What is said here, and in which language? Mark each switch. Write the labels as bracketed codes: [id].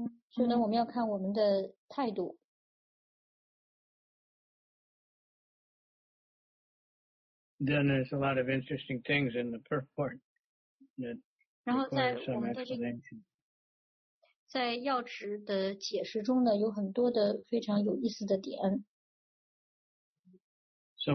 [zh] 所以呢, 我们要看我们的态度。 [en] Then there's a lot of interesting things in the purport that require some explanation. [zh] 在要旨的解释中呢, 有很多的非常有意思的点。 [en] So